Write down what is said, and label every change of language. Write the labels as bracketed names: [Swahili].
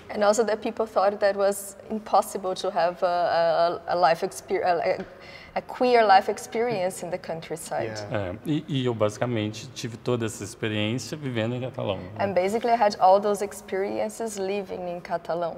[English] And also that people thought that was impossible to have a life experience, a queer life experience in the countryside. Yeah. [Portuguese] E eu basicamente tive toda essa experiência vivendo em Catalão. [English] And basically I had all those experiences living in Catalão.